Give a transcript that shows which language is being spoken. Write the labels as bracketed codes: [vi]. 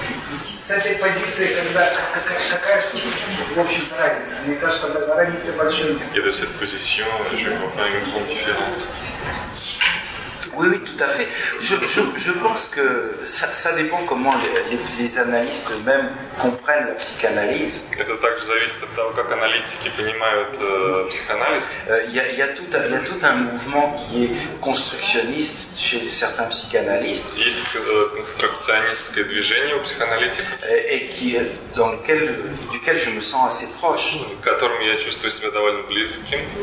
[ru] С этой позиции, когда какая штука, в общем-то, разница? Мне кажется, разница большая. [fr] Et de cette position, je comprends une grande différence. Oui, tout à fait. Je pense que ça dépend comment les analystes eux-mêmes comprennent la psychanalyse. [ru] Это также зависит от того, как аналитики понимают психоанализ. [fr] Il y a tout un mouvement qui est constructionniste chez certains psychanalystes. [ru] Есть конструкционистское движение у психоаналитиков. [fr] Et qui dans duquel je me sens assez proche. [ru] Которым я чувствую себя довольно близким.